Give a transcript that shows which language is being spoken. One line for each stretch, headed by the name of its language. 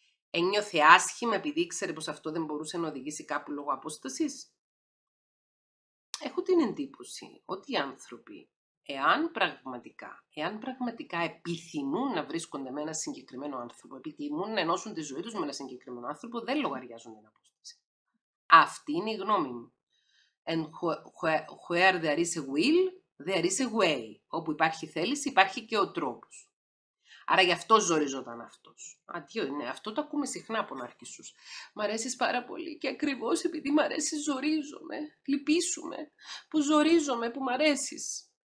Greek: Ένιωθε άσχημα επειδή ήξερε πως αυτό δεν μπορούσε να οδηγήσει κάπου λόγω απόστασης. Έχω την εντύπωση ότι οι άνθρωποι, εάν πραγματικά επιθυμούν να βρίσκονται με ένα συγκεκριμένο άνθρωπο, επιθυμούν να ενώσουν τη ζωή τους με ένα συγκεκριμένο άνθρωπο, δεν λογαριάζουν την απόσταση. Αυτή είναι η γνώμη μου.
English: And where there is a will, there is a way.
Greek: Όπου υπάρχει θέληση, υπάρχει και ο τρόπος. Άρα γι' αυτό ζοριζόταν αυτός. Αντίο, ναι, αυτό το ακούμε συχνά από ναρκισσούς. Μ' αρέσεις πάρα πολύ και ακριβώς επειδή μ' αρέσεις ζορίζομαι, λυπήσουμε, που ζορίζομαι, που μ' αρέσεις.